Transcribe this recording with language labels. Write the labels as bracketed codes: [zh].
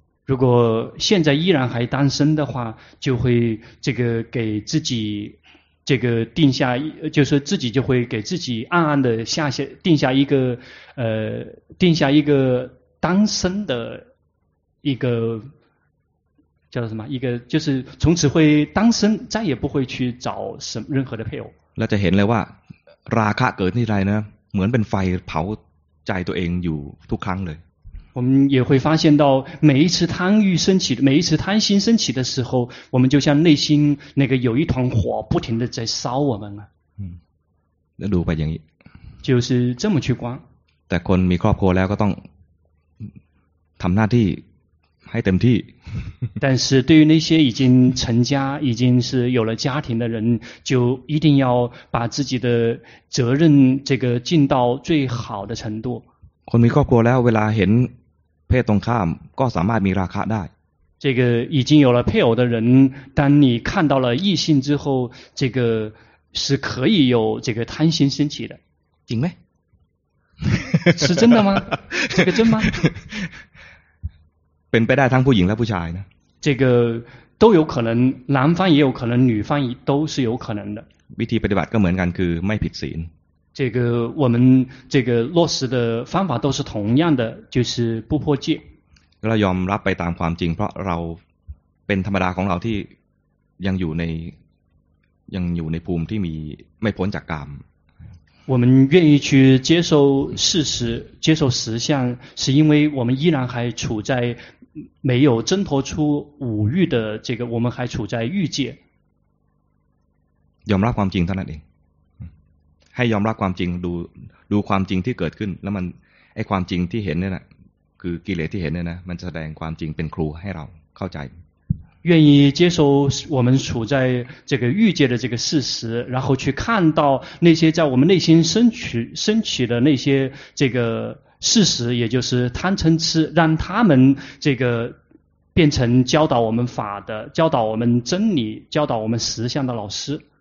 [zh] 如果现在依然还单身的话就会这个给自己这个定下就是自己就会给自己暗暗的定下一个单身的一个叫什么一个就是从此会单身再也不会去找什么任何的配偶 [th] แล้วจะเห็นเลยว่าราคะเกิดที่ไรนะเหมือนเป็นไฟเผาใจตัวเองอยู่ทุกครั้งเลย [zh] 我们也会发现到每一次贪欲升起每一次贪心升起的时候我们就像内心那个有一团火不停的在烧我们 [th] 那ดูไปอย่างนี้ [zh] 就是这么去观 [th] แต่คนมีครอบครัวแล้วก็ต้องทำหน้าที่ให้เต็มที่ [zh] 但是对于那些已经成家已经是有了家庭的人就一定要把自己的责任这个尽到最好的程度 [th] คนมีครอบครัวแล้วเวลาเห็นเพศตรงข้ามก็สามารถมีราคะได้ [zh] 这个已经有了配偶的人当你看到了异性之后这个是可以有这个贪心升起的 [th] จริงไหม [zh] 是真的吗这个真吗 [th] เป็นไปได้ทั้งผู้หญิงและผู้ชายนะ [zh] 这个都有可能男方也有可能女方都是有可能的 [th] วิธีปฏิบัติก็เหมือนกันคือไม่ผิดศีล [zh] 这个我们这个落实的方法都是同样的就是不破戒 [th] เรายอมรับไปตามความจริงเพราะเราเป็นธรรมดาของเราที่ยังอยู่ในภูมิที่มีไม่พ้นจากกาม [zh] 我们愿意去接受事实接受实相是因为我们依然还处在没有挣脱出五欲的这个我们还处在欲界 [th] ยอมรับความจริงเท่านั้นเองให้ยอมรับความจริงดูความจริงที่เกิดขึ้นแล้วมันไอ้ความจริงที่เห็นเนี่ยนะคือกิเลสที่เห็นเนี่ยนะมันจะแสดงความจริงเป็นครูให้เราเข้าใจ [zh] 愿意接受我们处在这个欲界的这个事实然后去看到那些在我们内心升起的那些这个事实也就是贪嗔痴让他们这个变成教导我们法的教导我们真理教导我们实相的老师